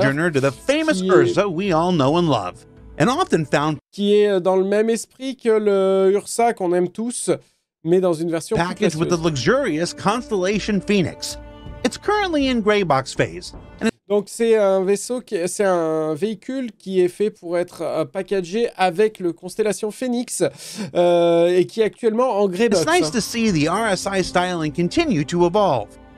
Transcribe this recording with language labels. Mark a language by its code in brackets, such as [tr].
[en] sojourner to the famous Ursa we all know and love. And often found [fr] qui est dans le même esprit que le Ursa qu'on aime tous, mais dans une version [en] package with the luxurious Constellation Phoenix. It's currently in gray box phase. [fr] Donc c'est un véhicule qui est fait pour être packagé avec le Constellation Phoenix et qui est actuellement en gray box. [en] It's nice to see the RSI styling continue to evolve.